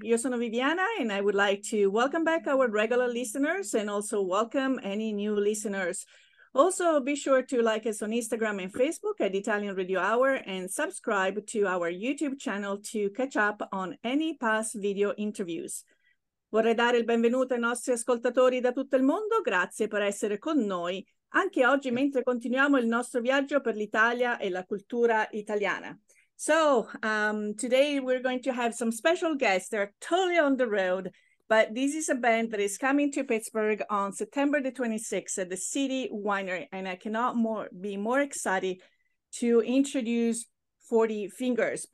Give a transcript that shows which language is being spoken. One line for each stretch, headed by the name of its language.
Italian: Io sono
English: Viviana and I would like to welcome back our regular listeners and also welcome any new listeners. Also, be sure to like us on Instagram and Facebook at Italian Radio Hour and subscribe to our YouTube channel to catch up on any past video interviews.
Italian: Vorrei dare il benvenuto ai nostri ascoltatori da tutto il mondo. Grazie per essere con noi anche oggi mentre continuiamo il nostro viaggio per l'Italia e la cultura italiana.
English: So, today we're going to have some special guests. They're totally on the road, but this is a band that is coming to Pittsburgh on September the 26th at the City Winery, and I cannot be more excited to introduce 40 Fingers.